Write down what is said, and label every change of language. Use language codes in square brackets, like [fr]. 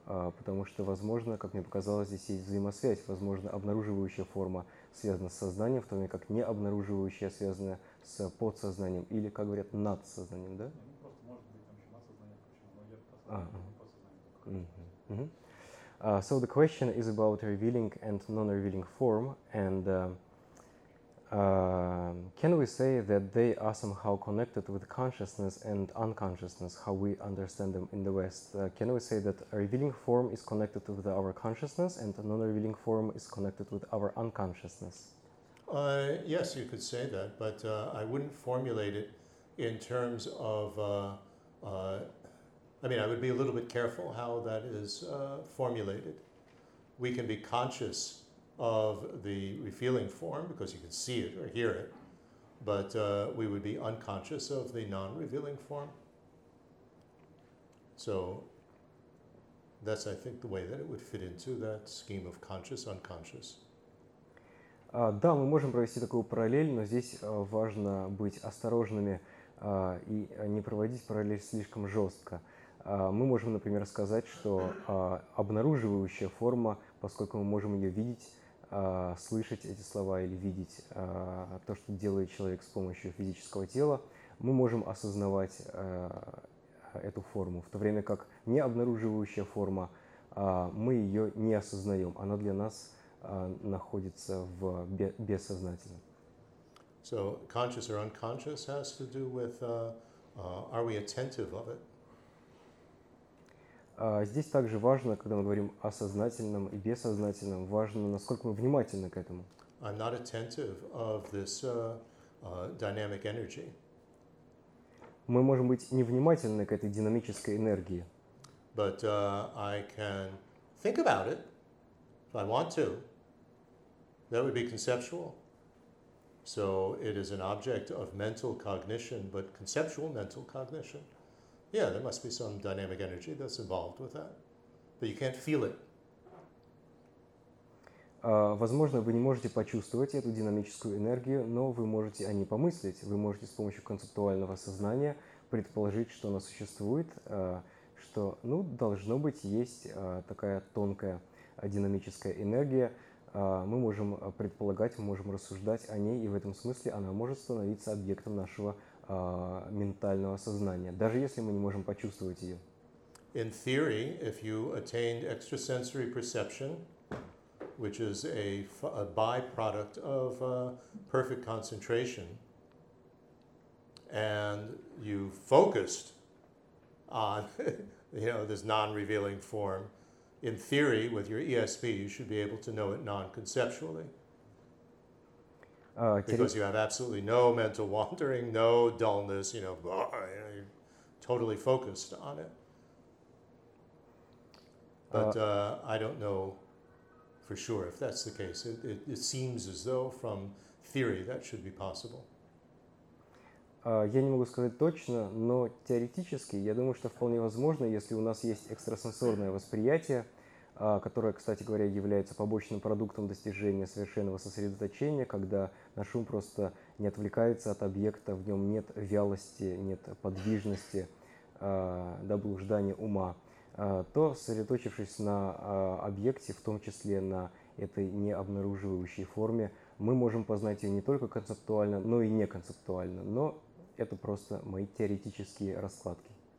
[ru] Потому что, возможно, как мне показалось, здесь есть взаимосвязь. Возможно, обнаруживающая форма связана с сознанием, в то время как необнаруживающая связана с подсознанием или, как говорят, над сознанием, да? Ну, просто может быть там еще над сознанием, почему идет подсознание, и подсознание. Mm-hmm. [en] So the question is about revealing and non-revealing form, and can we say that they are somehow connected with consciousness and unconsciousness, how we understand them in the West? Can we say that a revealing form is connected with our consciousness and a non-revealing form is connected with our unconsciousness? Yes, you could say that, but I wouldn't formulate it in terms of... I would be a little bit careful how that is formulated. We can be conscious of the revealing form, because you can see it or hear it, but we would be unconscious of the non-revealing form. So that's, I think, the way that it would fit into that scheme of conscious-unconscious. [ru] Да, мы можем провести такую параллель, но здесь важно быть осторожными и не проводить параллель слишком жестко. Мы можем, например, сказать, что обнаруживающая форма, поскольку мы можем ее видеть, слышать эти слова или видеть то, что делает человек с помощью физического тела, мы можем осознавать эту форму, в то время как необнаруживающая форма, мы ее не осознаем, она для нас находится в бессознательном. [en] So conscious or unconscious has to do with are we attentive of it? [ru] Здесь также важно, когда мы говорим о сознательном и бессознательном, важно, насколько мы внимательны к этому. [en] I'm not attentive of this dynamic energy. [ru] Мы можем быть невнимательны к этой динамической энергии. [en] But I can think about it if I want to. That would be conceptual. So it is an object of mental cognition, but conceptual mental cognition. Yeah, there must be some dynamic energy that's involved with that. But you can't feel it. [ru] Возможно, вы не можете почувствовать эту динамическую энергию, но вы можете о ней помыслить. Вы можете с помощью концептуального сознания предположить, что она существует, что, ну, должно быть, есть такая тонкая динамическая энергия. Мы можем предполагать, мы можем рассуждать о ней, и в этом смысле она может становиться объектом нашего ментального сознания, даже если мы не можем почувствовать ее. [en] In theory, if you attained extrasensory perception, which is a byproduct of perfect concentration, and you focused on, you know, this non-revealing form, in theory, with your ESP, you should be able to know it non-conceptually. Because you have absolutely no mental wandering, no dullness, you know, blah, you know, you're totally focused on it. But I don't know for sure if that's the case. It seems as though from theory that should be possible. [ru] Я не могу сказать точно, но теоретически, я думаю, что вполне возможно, если у нас есть экстрасенсорное восприятие, которое, кстати говоря, является побочным продуктом достижения совершенного сосредоточения, когда наш ум просто не отвлекается от объекта, в нем нет вялости, нет подвижности, да, блуждания ума, то, сосредоточившись на объекте, в том числе на этой необнаруживающей форме, мы можем познать ее не только концептуально, но и неконцептуально, но это просто мои теоретические раскладки.